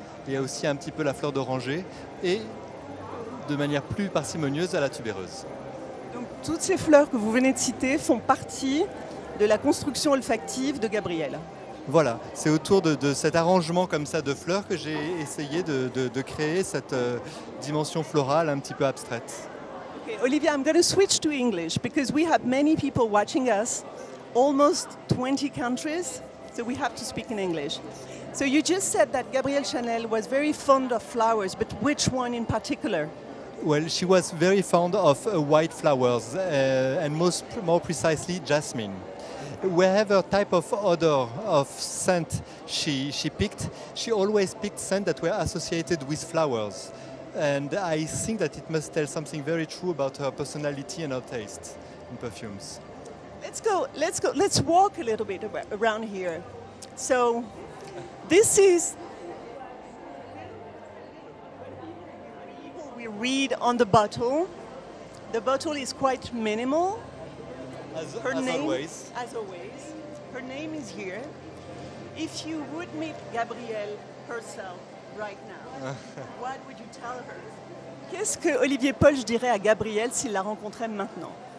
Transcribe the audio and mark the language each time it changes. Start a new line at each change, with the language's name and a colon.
French: Il y a aussi un petit peu la fleur d'oranger et de manière plus parcimonieuse à la tubéreuse. Donc toutes ces fleurs que vous venez de citer font partie de la construction olfactive de Gabrielle. Voilà, c'est autour de cet arrangement comme ça de fleurs que j'ai essayé de créer cette dimension florale un petit peu abstraite.
English: Okay, Olivia, I'm going to switch to English because we have many people watching us, almost 20 countries, so we have to speak in English. So you just said that Gabrielle Chanel was very fond of flowers, but which one in particular? Well, she was very fond of white flowers and more precisely jasmine. Whatever type of odor of scent she picked, she always picked scents that were associated with flowers. And I think that it must tell something very true about her personality and her taste in perfumes. Let's walk a little bit around here. So this is what we read on the bottle. The bottle is quite minimal. As always. Her name is here. If you would meet Gabrielle herself right now, what would you tell her?
French: Qu'est-ce que Olivier Poge dirait à Gabrielle s'il la rencontrait maintenant?